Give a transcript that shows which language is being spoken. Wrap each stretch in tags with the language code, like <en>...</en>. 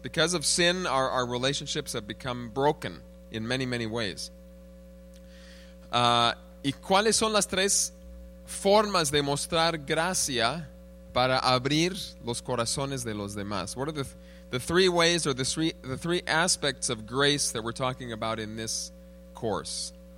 <en>Because of sin, our relationships have become broken in many, many ways.</en> <es>¿Y cuáles son las tres formas de mostrar gracia para abrir los corazones de los demás?</es> <en>What are the three ways or the three aspects of grace that we're talking about in this course?</en>